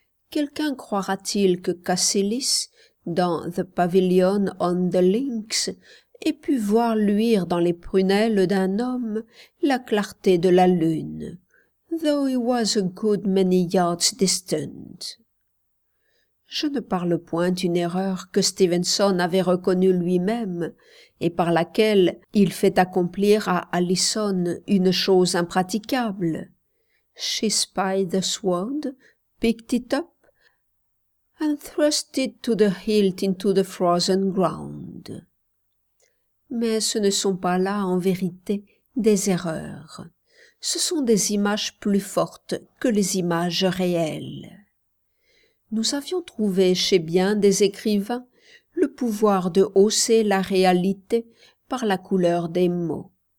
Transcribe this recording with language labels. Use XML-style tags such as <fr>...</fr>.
<fr>Quelqu'un croira-t-il que Cassilis, dans The Pavilion on the Lynx, ait pu voir luire dans les prunelles d'un homme la clarté de la lune,</fr> <en>though he was a good many yards distant?</en> <fr>Je ne parle point d'une erreur que Stevenson avait reconnue lui-même et par laquelle il fait accomplir à Alison une chose impraticable.</fr> <en>She spied the sword, picked it up, and thrust it to the hilt into the frozen ground.</en> <fr>Mais ce ne sont pas là, en vérité, des erreurs. Ce sont des images plus fortes que les images réelles. Nous avions trouvé chez bien des écrivains le pouvoir de hausser la réalité par la couleur des mots.</fr>